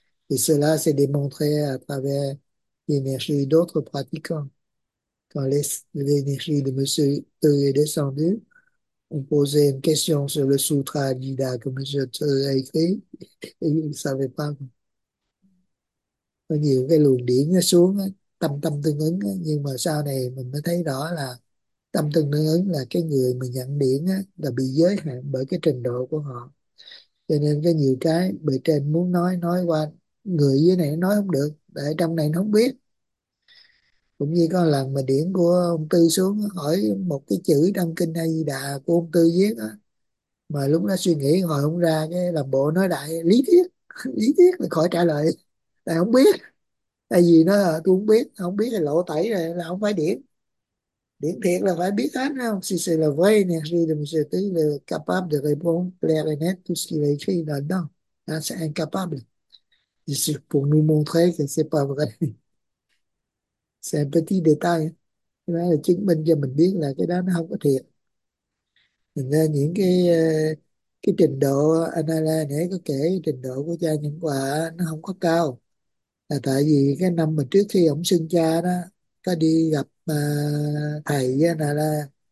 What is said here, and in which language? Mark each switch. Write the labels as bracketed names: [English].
[French] Et cela s'est démontré à travers l'énergie d'autres pratiquants. Quand l'énergie de Monsieur Te est descendue, on posait une question sur le sutra Adida que Monsieur Te a écrit, et il ne savait pas. [Vietnamese] Có nhiều cái luồng điển nó xuống, tâm tâm tương ứng, nhưng mà sau này mình mới thấy rõ là tâm tương ứng là cái người mà nhận điển là bị giới hạn bởi cái trình độ của họ. Cho nên có nhiều cái bề trên muốn nói qua người dưới này nói không được, để trong này nó không biết. Cũng như có lần mà điển của ông Tư xuống hỏi một cái chữ trong kinh A Di Đà của ông Tư viết đó, mà lúc đó suy nghĩ hồi không ra cái làm bộ nói đại lý thuyết là khỏi trả lời, tại không biết, tại vì nó tôi không biết là lộ tẩy rồi, là không phải điển, điển thiệt là phải biết hết, không [French] si c'est la vraie énergie de Monsieur Tư là capable de répondre clair et net tout ce qu'il a écrit là-dedans, là c'est incapable. C'est pour nous montrer que c'est pas vrai. C'est un petit détail. Hein. [Vietnamese] Là, chứng minh cho mình biết là cái đó nó không có thiệt. Mình những cái trình độ anh Ala nãy có kể, trình độ của cha Nhân Quả nó không có cao. Là tại vì cái năm mà trước khi ông xưng cha đó, có đi gặp thầy với Anh Ala